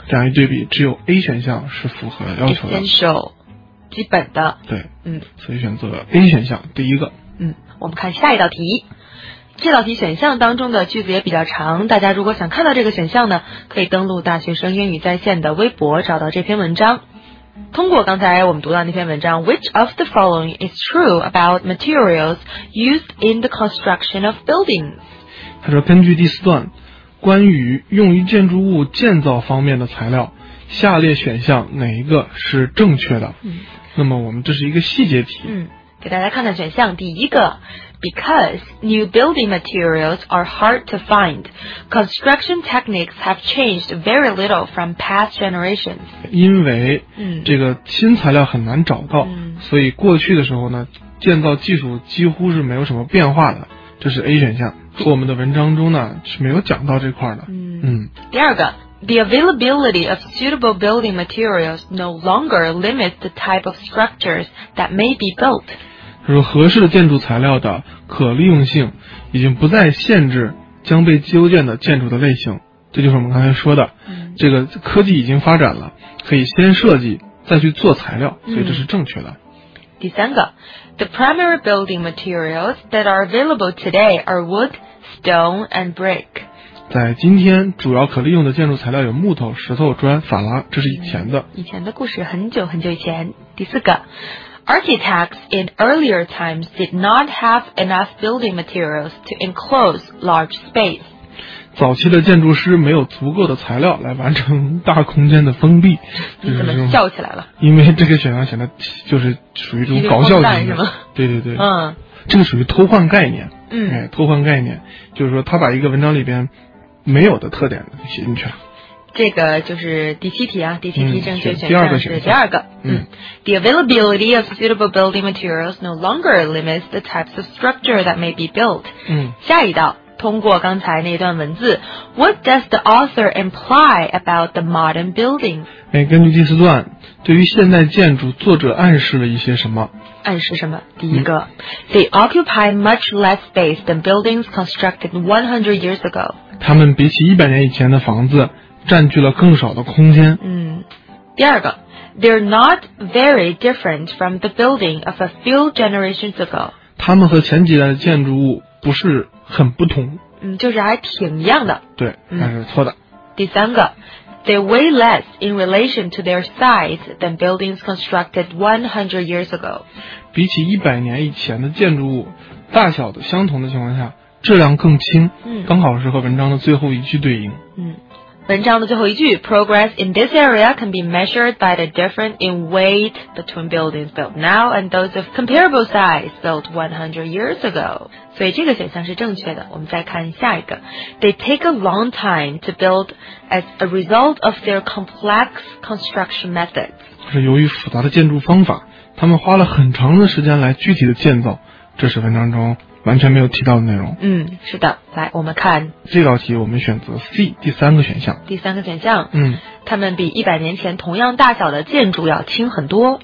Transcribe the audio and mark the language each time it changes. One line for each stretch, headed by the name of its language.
Chinese: 这样一对比只有 A 选项是符合要求的 essential 基本的，对，嗯，所以选择 A 选项第一个。嗯，我们看下一道题，这道题选项当中的句子也比较长，大家如果想看到这个选项呢，可以登录大学生英语在线的微博找到这篇文章。通过刚才我们读到那篇文章
English: Which of the following is true about materials used in the construction of buildings?
Chinese: 他说根据第四段关于用于建筑物建造方面的材料，下列选项哪一个是正确的、嗯、那么我们这是一个细节题，嗯，给大家看看选项，第一个
English: Because new building materials are hard to find, construction techniques have changed very little from past generations.
Chinese: 因为这个新材料很难找到、嗯、所以过去的时候呢，建造技术几乎是没有什么变化的，这是 A 选项，和我们的文章中呢是没有讲到这块的。嗯， 嗯，第二个
English: The availability of suitable building materials no longer limits the type of structures that may be built.
Chinese: 他说合适的建筑材料的可利用性已经不再限制将被修建的建筑的类型，这就是我们刚才说的、嗯、这个科技已经发展了，可以先设计再去做材料，所以这是正确的、嗯、第三个
English: The primary building materials that are available today are wood, stone and brick。
Chinese: 在今天主要可利用的建筑材料有木头、石头、砖、法拉，这是以前的、嗯、以前的故事，很久很久以前。第四个
English: Architects in earlier times did not have enough building materials to enclose large space.
Chinese: 早期的建筑师没有足够的材料来完成大空间的封闭。你怎么笑起来了？因为这个选项显得就是属于一种搞笑型的。对对对。嗯。这个属于偷换概念。嗯。哎，偷换概念。就是说他把一个文章里边没有的特点写进去了。这个就是第七题啊，第七题正确选项、嗯、第二个
English: 嗯， 嗯 The availability of suitable building materials no longer limits the types of structure that may be built。嗯，
Chinese: 下一道，通过刚才那段文字
English: What does the author imply about the modern building？
Chinese: 哎，根据第四段对于现代建筑作者暗示了一些什么，暗示什么？第一个、嗯、
English: They occupy much less space than buildings constructed 100 years ago。
Chinese: 他们比起100年以前的房子占据了更少的空间。嗯，第二个
English: They're not very different from the building of a few generations ago。
Chinese: 他们和前几代的建筑物不是很不同。嗯，就是还挺一样的。对，但是错的、嗯、第三个
English: They weigh less in relation to their size than buildings constructed 100 years ago。
Chinese: 比起100年以前的建筑物，大小的相同的情况下，质量更轻。嗯，刚好是和文章的最后一句对应。嗯，文章的最后一句
English: Progress in this area can be measured by the difference in weight between buildings built now and those of comparable size built 100 years ago。
Chinese: 所以这个选项是正确的。我们再看下一个
English: They take a long time to build as a result of their complex construction methods。
Chinese: 是由于复杂的建筑方法，他们花了很长的时间来具体的建造，这是文章中完全没有提到的内容。嗯，是的。来，我们看这道题，我们选择 C 第三个选项。第三个选项，嗯，他们比100年前同样大小的建筑要轻很多。